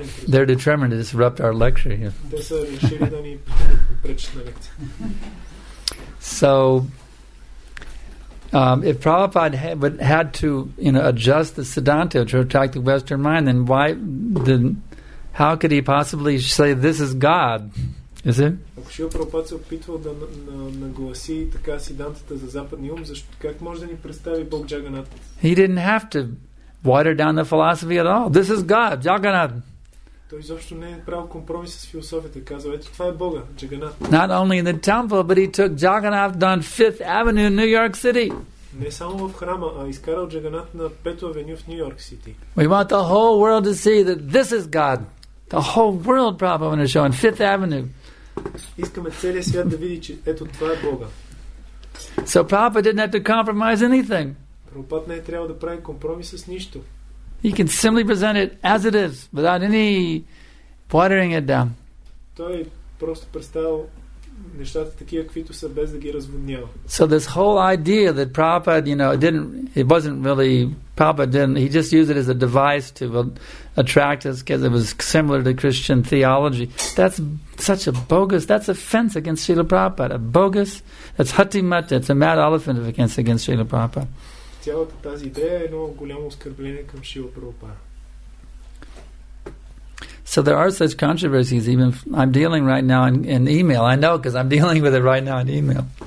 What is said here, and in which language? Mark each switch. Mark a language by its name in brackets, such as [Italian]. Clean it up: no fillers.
[English] They're determined to disrupt our lecture here. [Bulgarian] Те са решили да ни пречат на лекция. [English] So, if Prabhupada had to, you know, adjust the Siddhanta to attract the Western mind, then why? Then how could he possibly say this is God? Is it? If [Bulgarian] Шрила Прабхупад се опитвал да нагласи така сиддантата за западния ум, защо, как може да ни представи Бог Джаганат? [English] He didn't have to water down the philosophy at all. This is God, Джаганат. [Bulgarian] Той изобщо не е правил компромис с философията. Казал, ето това е Бога, Джаганат. [English] Not only in the temple, but he took Джаганат down Fifth Avenue in New York City. [Bulgarian] Не само в храма, а изкарал Джаганат на Пето Авеню в Нью Йорк Сити. [English] We want the whole world to see that this is God. The whole world probably going to show on Fifth Avenue. [Bulgarian] Искаме целия свят да види, че ето това е Бога. [English] So Prabhupada didn't have to compromise anything. [Bulgarian] Прабхупад не е трябвало да прави компромис с нищо. [English] He can simply present it as it is, without any watering it down. [Bulgarian] Той просто представил нещата такива, каквито са, без да ги разводнява. [English] So this whole idea that Prabhupada, you know, he just used it as a device to attract us because it was similar to Christian theology. That's such a bogus, that's offense against Srila Prabhupada. Bogus, that's hatimata, it's a mad elephant against Srila Prabhupada. [Bulgarian] Цялата тази идея е едно голямо оскърбление към Шрила Прабхупада. [English] So there are such controversies. Even I'm dealing right now in email. I know because I'm dealing with it right now in email.